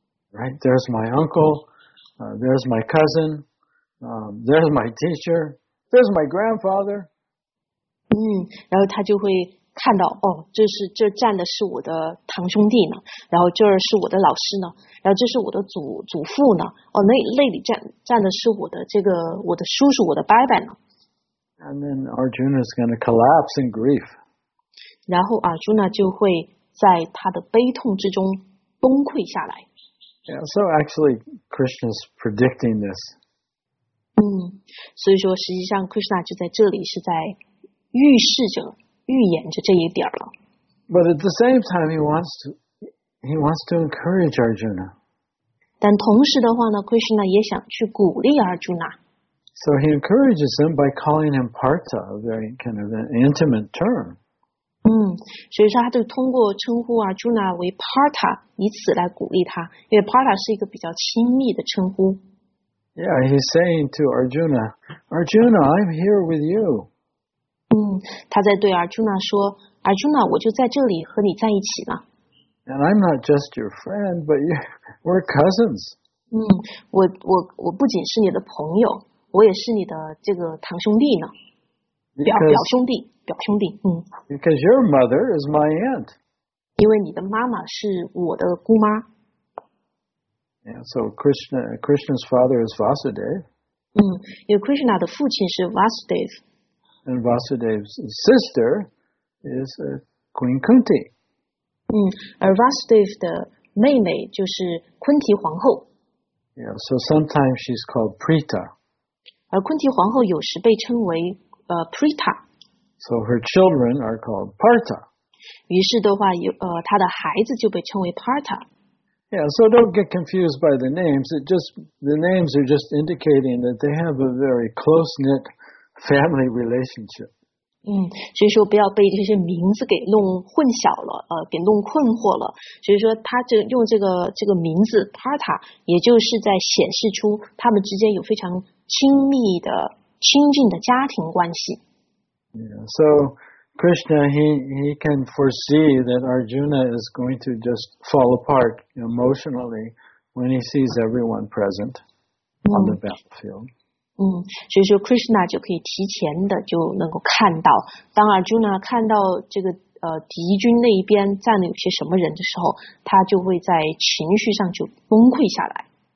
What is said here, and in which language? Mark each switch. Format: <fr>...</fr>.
<en>Right, there's my uncle, there's my cousin, there's my teacher, there's my grandfather.</en> <zh>然后他就会看到哦，这是这站的是我的堂兄弟呢，然后这是我的老师呢，然后这是我的祖父呢，哦，那里站的是我的这个我的叔叔我的伯伯呢。</zh> <en>And then Arjuna is going to collapse in grief.</en> <zh>然后 Arjuna 就会在他的悲痛之中崩溃下来。</zh> <en>Yeah, so actually, Krishna's predicting this.</en> <zh>所以说实际上 Krishna 就在这里是在预示着。预言着这一点了。</zh> <en>But at the same time, he wants to encourage Arjuna.</en> <zh>但同时的话呢 ，Krishna 也想去鼓励 Arjuna.</zh> <en>So he encourages him by calling him Partha, a very kind of an intimate term.</en> <zh>所以说他就通过称呼 Arjuna 为 Partha， 以此来鼓励他，因为 Partha 是一个比较亲密的称呼。</zh> <en>Yeah, he's saying to Arjuna, Arjuna, I'm here with you.</en> <zh>他在对 Arjuna 说 ，Arjuna， 我就在这里和你在一起呢。</zh> <en>And I'm not just your friend, but we're cousins.</en> <zh>我不仅是你的朋友，我也是你的这个堂兄弟呢，</zh> <en>because</en> <zh>表兄弟。</zh> <en>Because your mother is my aunt.</en> <zh>因为你的妈妈是我的姑妈。</zh> <en>Yeah, so Krishna's father is Vasudev.</en> <zh>因为 Krishna 的父亲是 Vasudev。</zh> <en>And Vasudev's sister is Queen Kunti. And</en> <zh>Vasudev's 的妹妹就是 Kunti 皇后。</zh> <en>Yeah, so sometimes she's called Prita.</en> <zh>而 Kunti 皇后有时被称为Prita.</zh> <en>So her children are called Partha.</en> <zh>于是的话，她的孩子就被称为 Partha.</zh> <en>Yeah, so don't get confused by the names. The names are just indicating that they have a very close-knit. Family relationship.</en> <zh>所以说不要被这些名字给弄混淆了，给弄困惑了。所以说他这用这个名字 Partha， 也就是在显示出他们之间有非常亲密的、亲近的家庭关系。</zh> <en>Yeah, so Krishna he can foresee that Arjuna is going to just fall apart emotionally when he sees everyone present on the battlefield.</en> <zh>所以说 Krishna 就可以提前的就能够看到，当 Arjuna 看到这个敌军那一边站了有些什么人的时候，他就会在情绪上就崩溃下来。</zh>